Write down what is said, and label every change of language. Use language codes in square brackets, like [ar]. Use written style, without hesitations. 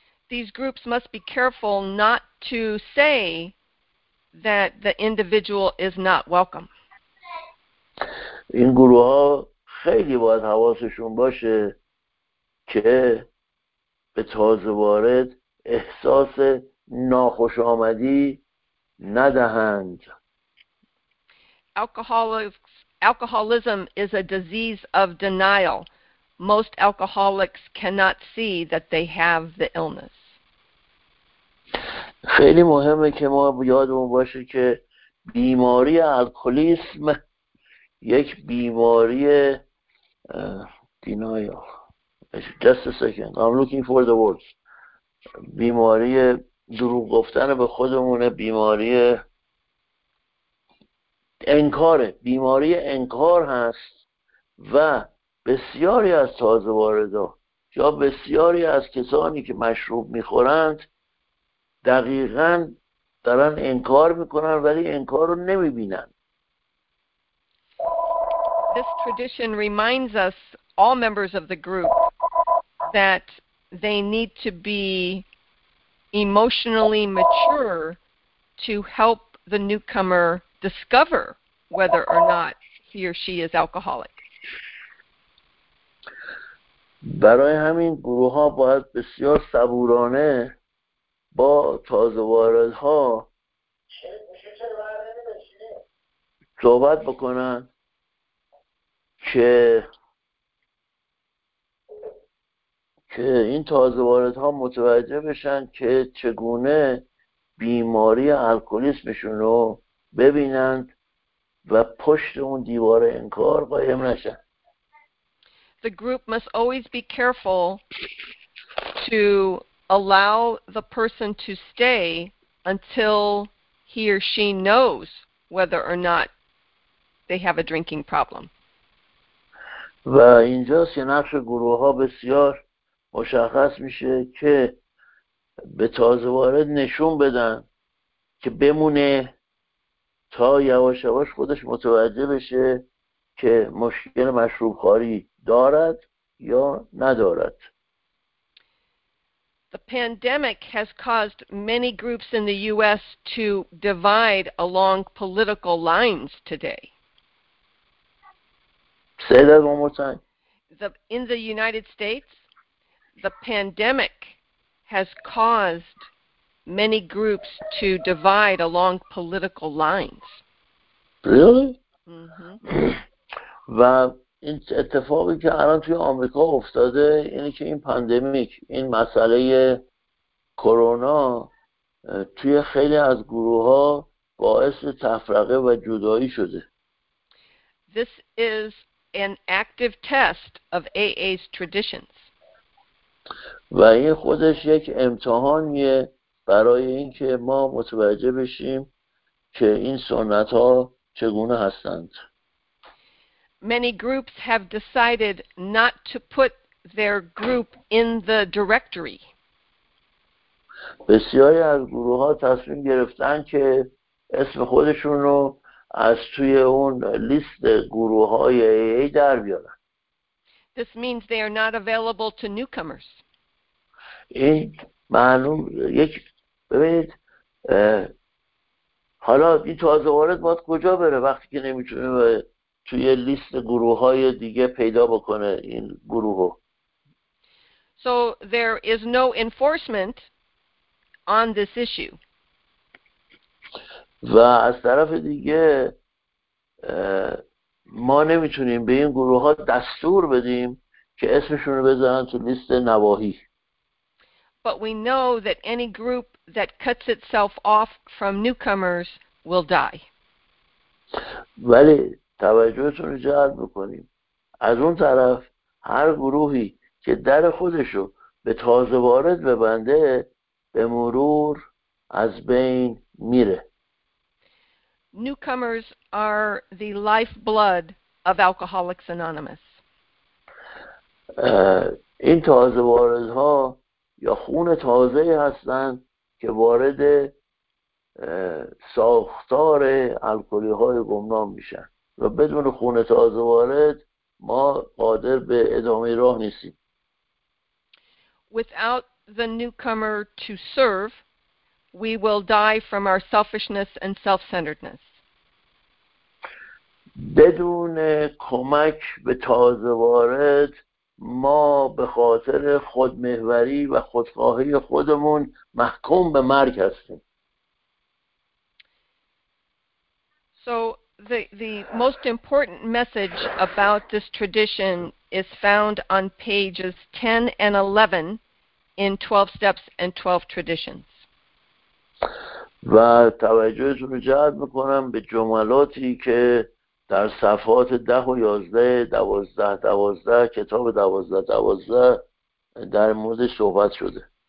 [en] These groups must be careful not to say that the individual is not welcome. [fa] این گروه ها خیلی باید حواسشون باشه که به تازه وارد احساس ناخوش آمدی ندهند. [en] Alcoholism is a disease of denial. Most alcoholics cannot see that they have the illness. [fa] خیلی مهمه که ما یادمون باشه که بیماری الکلیسم یک بیماری denial. [en] Just a second. I'm looking for the words. [fa] بیماری دروغ گفتن به خودمونه، بیماری انکاره، بیماری انکار هست و بسیاری از تازه واردا یا بسیاری از کسانی که مشروب میخورند دقیقا دارن انکار میکنن ولی انکار رو نمیبینن. [en] This tradition reminds us, all members of the group, that they need to be emotionally mature to help the newcomer discover whether or not he or she is alcoholic. [fa] برای همین گروه ها باید بسیار صبورانه با تازه واردها صحبت بکنن که این تازه واردها متوجه بشن که چگونه بیماری الکلیسمشون رو ببینند و پشت اون دیوار انکار قایم نشن. [en] The group must always be careful to allow the person to stay until he or she knows whether or not they have a drinking problem. [fa] و اینجا نقش گروه ها بسیار مشخص میشه که به تازه وارد نشون بدن که بمونه تا یواش یواش خودش متوجه بشه که مشکل مشروب خواری دارد یا ندارد. [en] The pandemic has caused many groups in the US to divide along political lines today. Say that one more time. In the United States, the pandemic has caused many groups to divide along political lines. Really? [fa] و این اتفاقی که الان توی آمریکا افتاده اینه که این پاندمیک، این مسئله کرونا توی خیلی از گروه‌ها باعث تفرقه و جدایی شده. [en] This is an active test of AA's traditions. [fa] و این خودش یک امتحانیه و برای اینکه ما متوجه بشیم که این سنت ها چگونه هستند. [en] Many groups have decided not to put their group in the directory. [fa] بسیاری از گروه ها تصمیم گرفتن که اسم خودشون رو از توی اون لیست گروه های AA در بیارن. [en] This means they are not available to newcomers. [fa] این معلوم یک ببینید حالا این تازه وارد باید کجا بره وقتی که نمیتونه توی لیست گروه های دیگه پیدا بکنه این گروه رو. [en] So there is no enforcement on this issue. [fa] و از طرف دیگه ما نمیتونیم به این گروه ها دستور بدیم که اسمشون رو بذارن تو لیست نواهی. [en] But we know that any group that cuts itself off from newcomers will die. [fa] ولی توجهتون رو جلب بکنیم. از اون طرف هر گروهی که در خودشو به تازه وارد ببنده به مرور از بین میره. [en] Newcomers are the lifeblood of Alcoholics Anonymous. [fa] این تازه واردها یا خون تازه هستند که وارد ساختار الکلی های گمنام میشن و بدون خون تازه وارد ما قادر به ادامه راه نیستیم. [en] Without the newcomer to serve, we will die from our selfishness and self-centeredness. [fa] بدون کمک به تازه وارد ما به خاطر خودمحوری و خودخواهی خودمون محکوم به مرگ هستیم. [en] So the most important message about this tradition is found on pages 10 and 11 in 12 steps and 12 traditions. [fa] و توجهتون رو جلب میکنم به جملاتی که در صفحات 10 و 11، 12، 12 کتاب 12، 12 در مورد صحبت شده.